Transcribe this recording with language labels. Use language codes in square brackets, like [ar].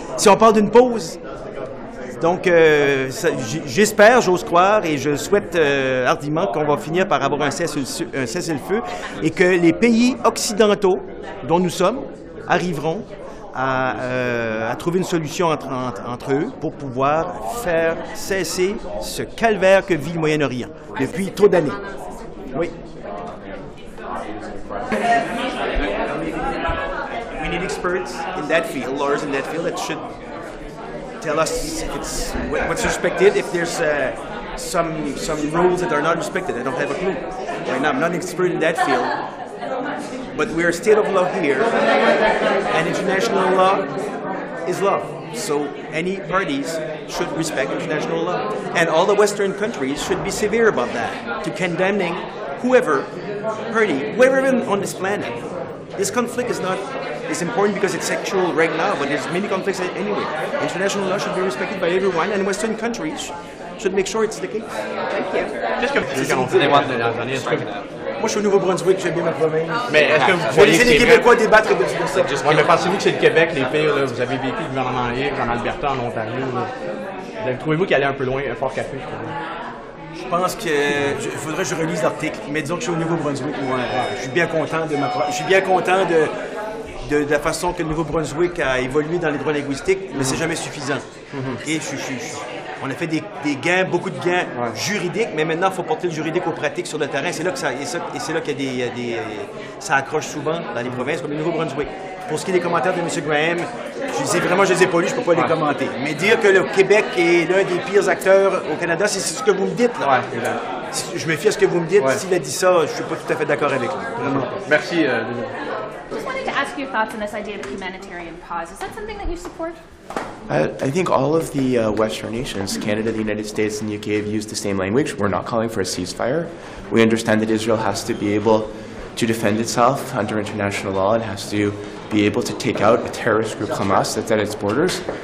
[fr] Si on parle d'une pause. Donc, j'espère, j'ose croire, et je souhaite hardiment qu'on va finir par avoir un cessez-le-feu et que les pays occidentaux, dont nous sommes, arriveront à trouver une solution entre eux pour pouvoir faire cesser ce calvaire que vit le Moyen-Orient depuis trop d'années. Oui. [en] We need experts in that field, lawyers in that field that should tell us if it's what's respected, if there's some rules that are not respected. I don't have a clue. Right now, I'm not an expert in that field. But we are a state of law here, and international law is law. So any parties should respect international law. And all the Western countries should be severe about that, to condemning whoever party, wherever on this planet. This conflict is important because it's sexual right now, but there's many conflicts anywhere. International law should be respected by everyone, and Western countries should make sure it's the case. Thank you. [fr] Moi, je suis au Nouveau-Brunswick, j'aime bien ma province. Mais est-ce que vous voyez les Québécois débattre de ça? Ouais, mais pensez-vous que c'est le Québec, les pays, là, vous avez vécu le gouvernement libre en Alberta, en Ontario, là. Trouvez-vous qu'il allait un peu loin, un fort café, je trouve? Je pense que... faudrait que je relise l'article, mais disons que je suis au Nouveau-Brunswick, moi. Je suis bien content de ma... Je suis bien content de la façon que le Nouveau-Brunswick a évolué dans les droits linguistiques, mais c'est jamais suffisant. Et on a fait des gains, beaucoup de gains juridiques, mais maintenant, il faut porter le juridique aux pratiques sur le terrain. C'est là que ça, ça accroche souvent dans les provinces, comme le Nouveau-Brunswick. Pour ce qui est des commentaires de M. Graham, je les ai pas lus, je ne peux pas les commenter. Mais dire que le Québec est l'un des pires acteurs au Canada, c'est ce que vous me dites. Là. Ouais, là. Je me fie à ce que vous me dites. S'il a dit ça, je ne suis pas tout à fait d'accord avec lui. Vraiment pas. Merci. [en] Just wanted to ask your thoughts on this idea of humanitarian pause. Is that something that you support? I think all of the Western nations, Canada, the United States, and the UK, have used the same language. We're not calling for a ceasefire. We understand that Israel has to be able to defend itself under international law and has to be able to take out a terrorist group, Hamas, that's at its borders.